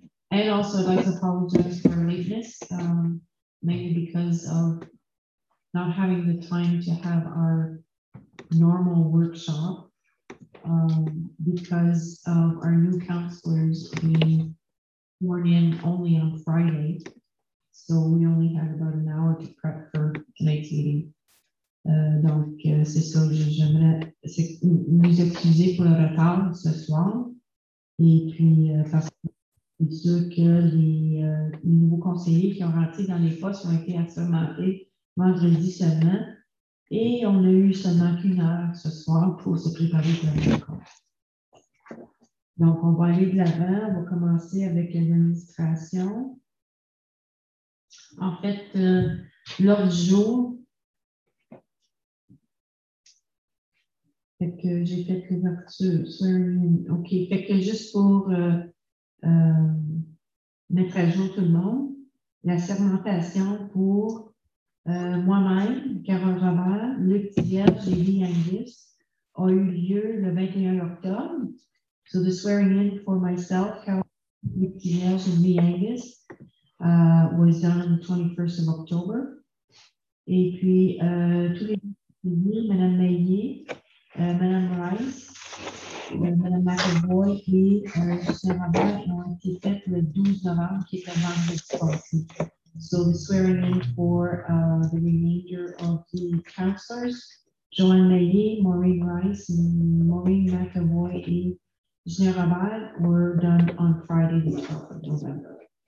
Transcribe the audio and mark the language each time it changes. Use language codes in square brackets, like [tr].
[en] And also, I'd like to apologize for our lateness, mainly because of not having the time to have our normal workshop. Because of our new counselors being sworn in only on Friday, so we only had about an hour to prep for tonight's meeting. [fr] Donc, c'est ça que j'aimerais nous excuser pour le retard ce soir. Et puis, parce que c'est sûr que les nouveaux conseillers qui ont rentré dans les postes ont été assermentés vendredi seulement. Et on a eu seulement une heure ce soir pour se préparer pour la réunion. Donc, on va aller de l'avant. On va commencer avec l'administration. En fait, l'ordre du jour, fait que j'ai fait l'ouverture. OK, fait que juste pour mettre à jour tout le monde, la segmentation pour moi-même, Carole Robert, Luc Thiviette et Lee Angus a eu lieu le 21 octobre. [en] So the swearing in for myself, Carole, Luc Thiviette et Lee Angus was done on the 21st of October. [fr] Et puis, tous les deux, Mme Maillé, Mme Rice, Mme McAvoy et Justin Robert ont été faites le 12 novembre, qui est le vendredi passé. [en] So the swearing in for the remainder of the counselors, Joanne Maillé, Maureen Rice, Maureen McAvoy, and Jean Rabat were done on Friday, the 12th of November.